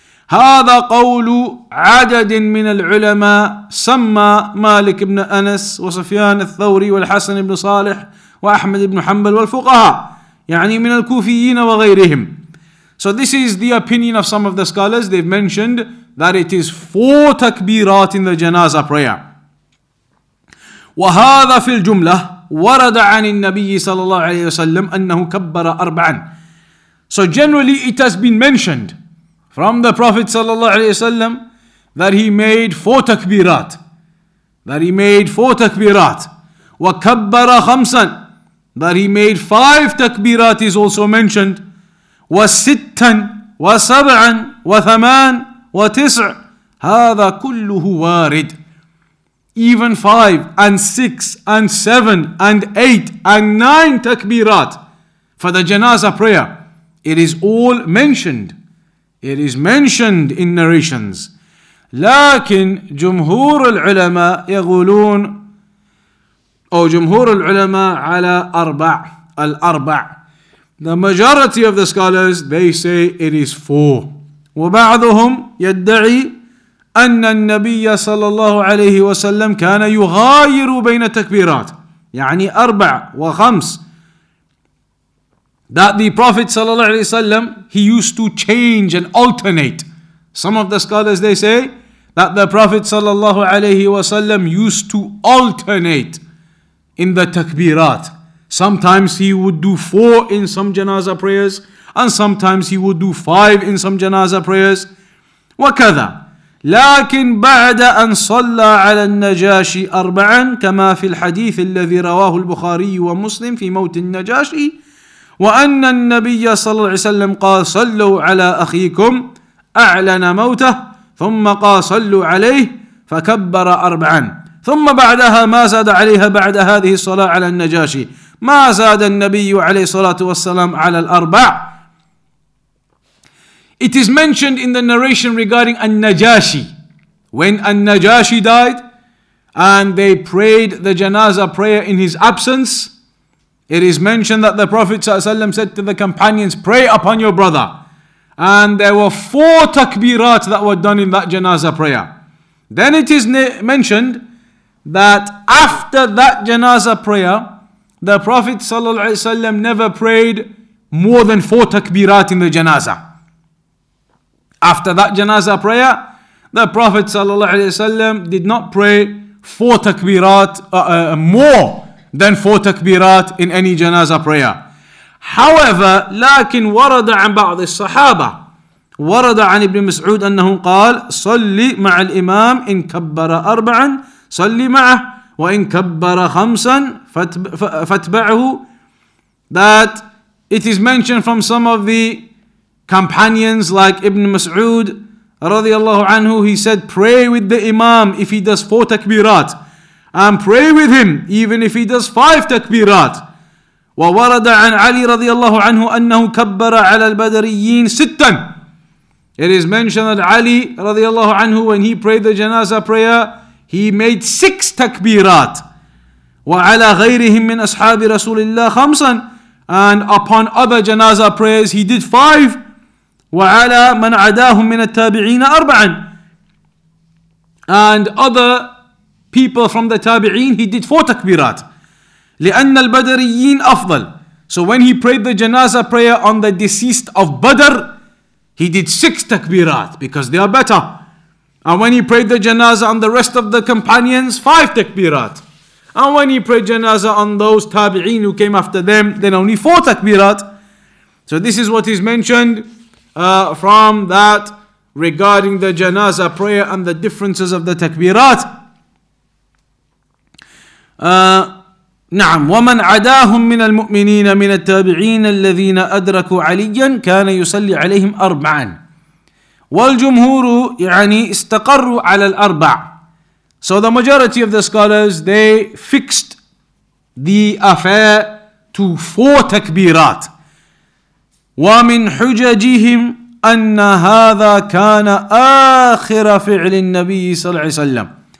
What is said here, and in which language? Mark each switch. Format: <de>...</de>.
<ar>هذا قول عدد من العلماء سمى مالك بن أنس وسفيان الثوري والحسن بن صالح وأحمد بن حنبل والفقهاء يعني من الكوفيين وغيرهم.</ar> <en>So this is the opinion of some of the scholars. They've mentioned that it is four takbirat in the janazah prayer.</en> <ar>وهذا في الجملة ورد عن النبي صلى الله عليه وسلم أنه كبر أربعا.</ar> <en>So generally it has been mentioned from the Prophet sallallahu alaihi wasallam that he made four takbirat,</en> <ar>wa kabbara khamsan,</ar> <en>that he made five takbirat is also mentioned,</en> <ar>wa sittan wa sab'an wa thaman wa tis', hadha kulluhu warid,</ar> <en>even five and six and seven and eight and nine takbirat for the janazah prayer, it is all mentioned. It is mentioned in narrations.</en> <ar>لكن جمهور العلماء يقولون أو جمهور العلماء على أربع الأربع.</ar> <en>The majority of the scholars, they say it is four.</en> <ar>وبعضهم يدعي أن النبي صلى الله عليه وسلم كان يغاير بين تكبيرات. يعني أربع وخمس.</ar> <en>That the Prophet sallallahu alaihi wasallam, he used to change and alternate. Some of the scholars, they say that the Prophet sallallahu alaihi wasallam used to alternate in the takbirat. Sometimes he would do four in some janazah prayers, and sometimes he would do five in some janazah prayers.</en> <ar>وَكَذَا لَكِنْ بَعْدَ أَنْ صَلَّى عَلَى النَّجَاشِ أَرْبَعًا كَمَا فِي الْحَدِيثِ الَّذِي رَوَاهُ الْبُخَارِيُّ وَمُسْلِمُ فِي مَوْتِ النَّجَاشِ وأن النبي صلى الله عليه وسلم قال صلوا على أخيكم أعلن موته ثم قال صلوا عليه فكبر أربعا ثم بعدها ما زاد عليها بعد هذه الصلاة على النجاشي ما زاد النبي عليه الصلاة والسلام على الأربع.</ar> <en>It is mentioned in the narration regarding النجاشي, when النجاشي died and they prayed the janazah prayer in his absence. It is mentioned that the Prophet ﷺ said to the companions, pray upon your brother. And there were four takbirat that were done in that janazah prayer. Then it is mentioned that after that janazah prayer, the Prophet ﷺ never prayed more than four takbirat in the janazah. After that janazah prayer, the Prophet ﷺ did not pray four takbirat more than four takbirat in any janazah prayer.</en> <ar>However, لكن ورد عن بعض الصحابة ورد عن ابن مسعود أنه قال صلي مع الإمام إن كبر أربعا صلي معه وإن كبر خمسا فاتبعه.</ar> <en>That it is mentioned from some of the companions like Ibn Mas'ud</en> <ar>رضي الله عنه,</ar> <en>he said pray with the Imam if he does four takbirat, and pray with him even if he does five takbirat.</en> <ar>وورد عن علي رضي الله عنه أنه كبر على البدريين ستا.</ar> <en>It is mentioned that Ali</en> <ar>رضي الله عنه,</ar> <en>when he prayed the janazah prayer, he made six takbirat.</en> <ar>وعلى غيرهم من أصحاب رسول الله خمسا,</ar> <en>and upon other janazah prayers he did five.</en> <ar>وعلى من عداهم من التابعين أربعا,</ar> <en>and other people from the tabi'een, he did four takbirat.</en> <ar>لِأَنَّ الْبَدَرِيِّينَ أَفْضَلْ.</ar> <en>So when he prayed the janazah prayer on the deceased of Badr, he did six takbirat, because they are better. And when he prayed the janazah on the rest of the companions, five takbirat. And when he prayed janazah on those tabi'een who came after them, then only four takbirat. So this is what is mentioned from that regarding the janazah prayer and the differences of the takbirat.</en> <ar>نعم ومن عداهم من المؤمنين من التابعين الذين أدركوا عليا كان يصلي عليهم أربعا. والجمهور يعني استقروا على الأربع.</ar> <en>So the majority of the scholars, they fixed the affair to four takbirat.</en> <ar>وَمِنْ حُجَجِهِمْ أَنَّ هَذَا كَانَ آخِرَ فِعْلِ النَّبِيِّ صَلَّى اللَّهُ عَلَيْهِ وَسَلَّمَ.</ar>